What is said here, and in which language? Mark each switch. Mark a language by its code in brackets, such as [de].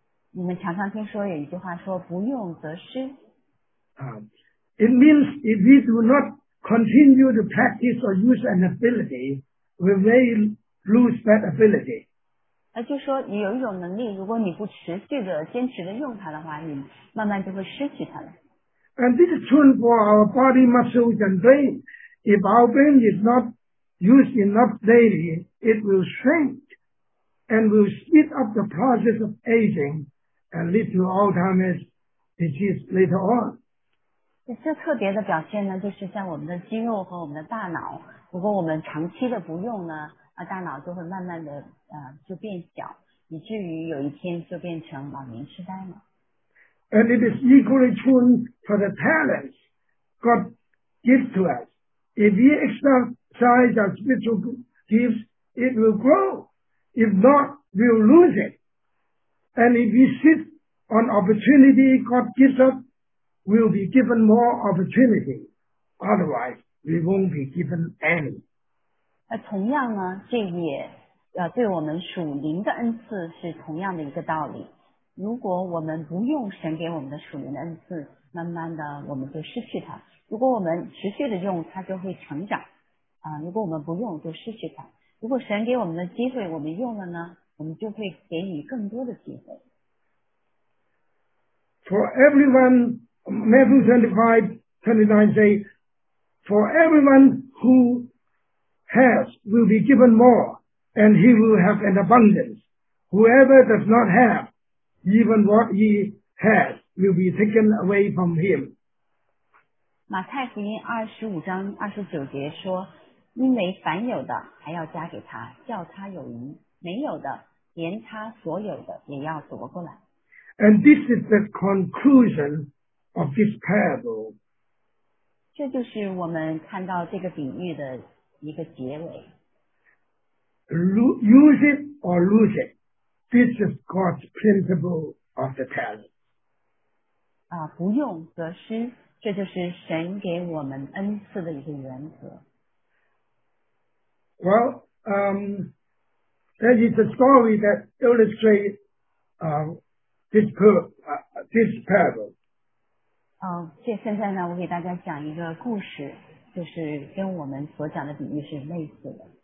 [zh] 你们常常听说有一句话说不用则失。 [en] It means if we do not continue to practice or use an ability, we may lose that ability. [zh] 就说你有一种能力，如果你不持续的坚持的用它的话，你慢慢就会失去它了。 [en] And this is true for our body muscles and brain. If our brain is notused enough daily, it will shrink and will speed up the process of aging and lead to Alzheimer's disease later on. [zh] 这特别的表现呢，就是像我们的肌肉和我们的大脑，如果我们长期的不用呢，大脑就会慢慢的就变小，以至于有一天就变成老年痴呆了。 [en] And it is equally true for the talents God gives to us. If we exercise our spiritual gifts, it will grow. If not, we'll lose it. And if we sit on opportunity God gives us, we'll be given more opportunity. Otherwise, we won't be given any. [zh] 同样呢，这也对我们属灵的恩赐是同样的一个道理。如果我们不用神给我们的属灵的恩赐，慢慢的我们就失去它。如果我们持续的用，它就会成长。如果我们不用就失去它。如果神给我们的机会我们用了呢，我们就会给予更多的机会。 [en] For everyone, Matthew 25:29 say, For everyone who has will be given more, and he will have an abundance. Whoever does not have, even what he has will be taken away from him. [zh] 马太福音25:29说，因为凡有的还要加给他，叫他有余；没有的，连他所有的也要夺过来。 [en] And this is the conclusion of this parable. [zh] 这就是我们看到这个比喻的一个结尾。 [en] Use it or lose it. This is God's principle of the talent. [zh] 不用则失，这就是神给我们恩赐的一个原则。 [en] Well, there is a story that illustrates this parable. [zh] 这现在呢，我给大家讲一个故事，就是跟我们所讲的比喻是类似的。